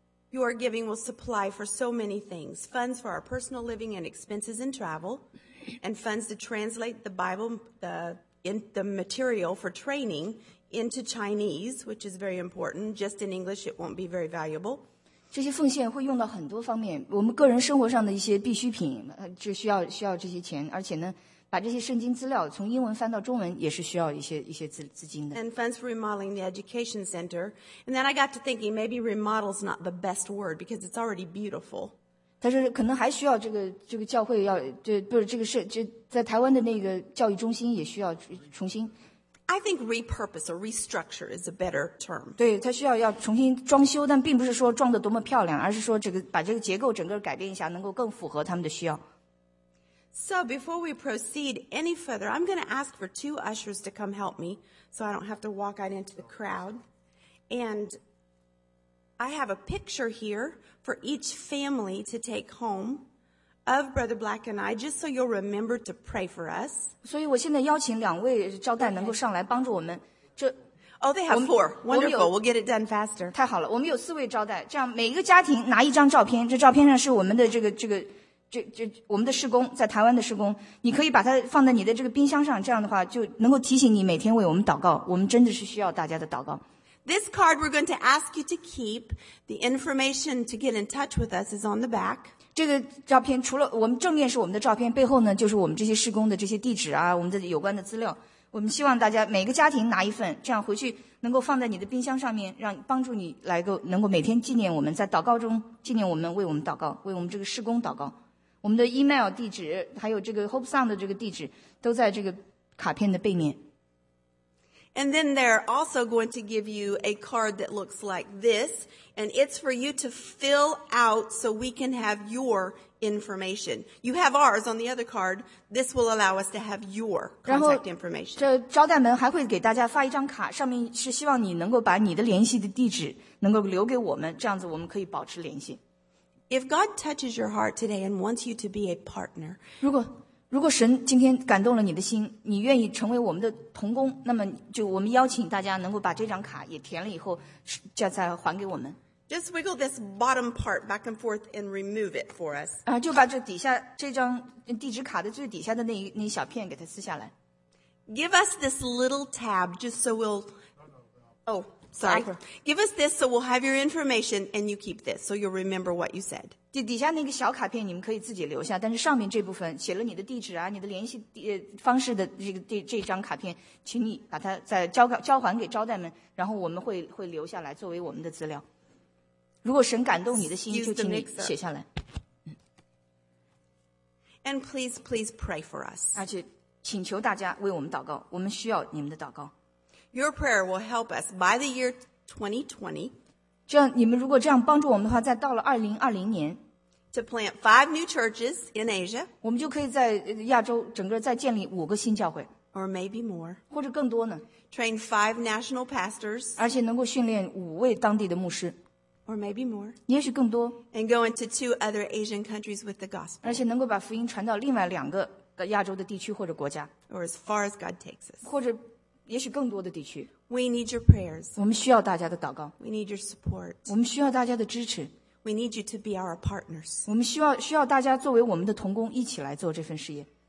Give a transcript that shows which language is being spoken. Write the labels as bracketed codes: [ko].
[en] Your giving will supply for so many things. Funds for our personal living and expenses and travel, and funds to translate the Bible, the material for training into Chinese, which is very important. Just in English, it won't be very valuable. [zh] 这些奉献会用到很多方面，我们个人生活上的一些必需品，这需要这些钱，而且呢，把这些圣经资料从英文翻到中文也是需要一些资金的。 [en] And funds for remodeling the education center. And then I got to thinking maybe remodel's not the best word because it's already beautiful. [zh] 但是可能还需要这个教会要这不是这个是这在台湾的那个教育中心也需要重新。 [en] I think repurpose or restructure is a better term. [zh] 对，它需要重新装修，但并不是说装得多么漂亮，而是说这个把这个结构整个改变一下，能够更符合他们的需要。 [en] So before we proceed any further, I'm going to ask for 2 ushers to come help me so I don't have to walk out into the crowd. And I have a picture here for each family to take home of Brother Black and I, just so you'll remember to pray for us. [zh] 所以我现在邀请两位招待能够上来帮助我们。 [en] Oh, they have 4. Wonderful. We'll get it done faster. [zh] 太好了，我们有四位招待，这样每一个家庭拿一张照片，这照片上是我们的这个。这我们的施工在台湾的施工，你可以把它放在你的这个冰箱上，这样的话就能够提醒你每天为我们祷告。我们真的是需要大家的祷告。 [en] This card we're going to ask you to keep. The information to get in touch with us is on the back. [zh] 这个照片除了我们正面是我们的照片，背后呢就是我们这些施工的这些地址啊，我们的有关的资料。我们希望大家每个家庭拿一份，这样回去能够放在你的冰箱上面，让帮助你来够能够每天纪念我们在祷告中纪念我们为我们祷告，为我们这个施工祷告。我们的 email 地址还有这个 Hope Sound 的这个地址都在这个卡片的背面。 [en] And then they're also going to give you a card that looks like this, and it's for you to fill out so we can have your information. You have ours on the other card. This will allow us to have your contact information. [zh] 这招待们还会给大家发一张卡，上面是希望你能够把你的联系的地址能够留给我们，这样子我们可以保持联系。 [en] If God touches your heart today and wants you to be a partner, [zh] 如果如果神今天感动了你的心，你愿意成为我们的同工，那么就我们邀请大家能够把这张卡也填了以后，就再还给我们。 [en] Just wiggle this bottom part back and forth and remove it for us. [zh] 啊，就把这底下这张地址卡的最底下的那小片给它撕下来。 [en] Give us this little tab just so we'll. Oh, sorry. Give us this so we'll have your information and you keep this so you'll remember what you said. [zh] 就底下那个小卡片你们可以自己留下，但是上面这部分写了你的地址啊、你的联系方式的这张卡片，请你把它再交还给招待们，然后我们会留下来作为我们的资料。如果神感动你的心，就请你写下来。 [en] And please, please pray for us. [zh] 而且请求大家为我们祷告，我们需要你们的祷告。 [en] Your prayer will help us by the year 2020. [zh] 这样，你们如果这样帮助我们的话，在到了2020年 [en] ，to plant 5 new churches in Asia. [zh] 我们就可以在亚洲整个再建立5个新教会 [en] ，or maybe more. [zh] 或者更多呢 [en] ？Train 5 national pastors. [zh] 而且能够训练5位当地的牧师。 [en] Or maybe more. [zh] 也许更多。 [en] And go into 2 other Asian countries with the gospel. [zh] 而且能够把福音传到另外两个亚洲的地区或者国家。 [en] Or as far as God takes us. [zh] 或者也许更多的地区。 [en] We need your prayers. [zh] 我们需要大家的祷告。 [en] We need your support. [zh] 我们需要大家的支持。 [en] We need you to be our partners. [zh] 我们需要大家作为我们的同工一起来做这份事业。